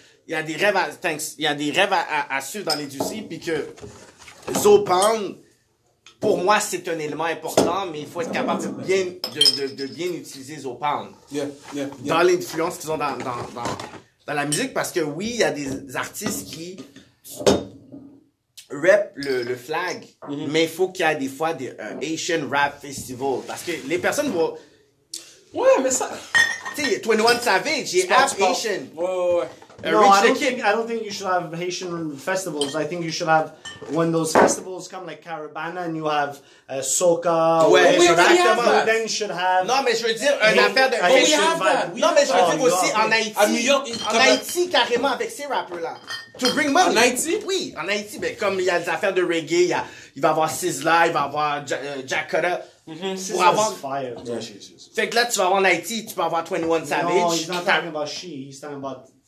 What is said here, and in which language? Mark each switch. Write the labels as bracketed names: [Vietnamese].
[French] Il y a des rêves à suivre dans l'industrie, puis que Zo Pound, pour moi, c'est un élément important, mais il faut être capable de bien utiliser Zo Pound dans l'influence qu'ils ont dans la musique, parce que oui, il y a des artistes qui rep le flag, mais il faut qu'il y ait des fois des Asian Rap Festival, parce que les personnes vont... Ouais, mais ça... Tu sais, 21 Savage, il est [English] half Asian. [French] Ouais. [English] I don't think you should have Haitian festivals. I think you should have, when those festivals come, like Caravana, and you have Soca. Well, we already have that. Then you should have... [French] Non, mais je veux dire, une affaire de... [English] Mais we have that. [French] Non, mais je veux dire aussi, en Haïti. À New York. En Haïti, carrément, avec ces rappers-là. [English] To bring money. [French] En Haïti? Oui, en Haïti. Mais comme il y a des affaires de reggae, il va y avoir SZA, il va y avoir Jack Cutter. Mm-hmm. Pour avoir... Fire, [English] yeah. [French] Fait que là, tu vas avoir en Haïti, tu peux avoir 21 Savage. [English] No, he's not talking about she, he's talking about...